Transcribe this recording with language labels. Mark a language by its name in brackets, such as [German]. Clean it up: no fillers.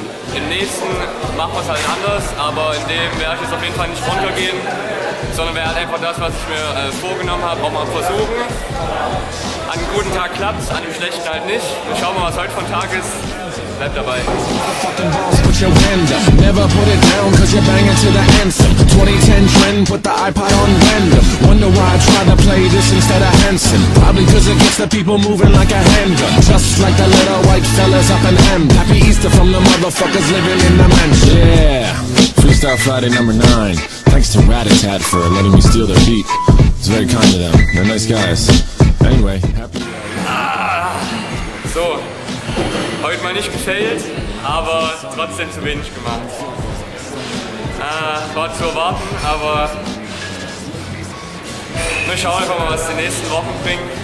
[German] Im nächsten machen wir es halt anders, aber in dem werde ich jetzt auf jeden Fall nicht runtergehen, sondern werde einfach das, was ich mir vorgenommen habe, auch mal versuchen. An einem guten Tag klappt es, an einem schlechten halt nicht. Wir schauen mal, was heute von Tag ist. Bleibt dabei. [English] Your hand up, never put it down, cause you're banging to the handsome. 2010 trend, put the iPod on random. Wonder why I try to play this instead of Hanson. Probably cause it gets the people moving like a handgun. Just like the little white fellas up in Hemd. Happy Easter from the motherfuckers living in the mansion. Yeah, Freestyle Friday number 9. Thanks to Rat-A-Tat for letting me steal their beat. It's very kind of them, they're nice guys. Anyway, happy. [German] So, heute mal nicht gefailed, aber trotzdem zu wenig gemacht. War zu erwarten, aber wir schauen einfach mal, was die nächsten Wochen bringen.